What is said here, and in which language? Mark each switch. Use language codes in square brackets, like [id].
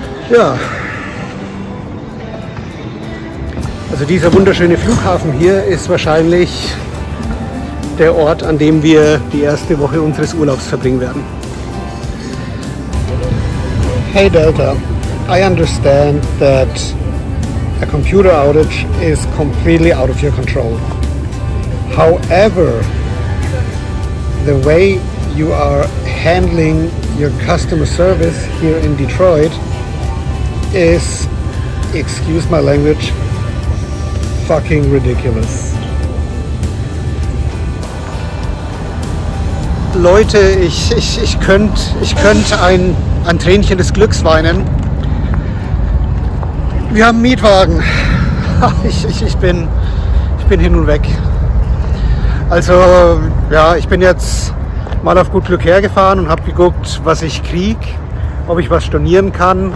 [de] Ja. Also dieser wunderschöne Flughafen hier ist wahrscheinlich der Ort, an dem wir die erste Woche unseres Urlaubs verbringen werden. [en] Hey Delta, I understand that a computer outage is completely out of your control. However, the way you are handling your customer service here in Detroit is, excuse my language, fucking ridiculous. [de] Leute, ich könnte ein Tränchen des Glücks weinen. Wir haben einen Mietwagen. Ich bin hin und weg. Also ja, ich bin jetzt mal auf gut Glück hergefahren und habe geguckt, was ich kriege, ob ich was stornieren kann.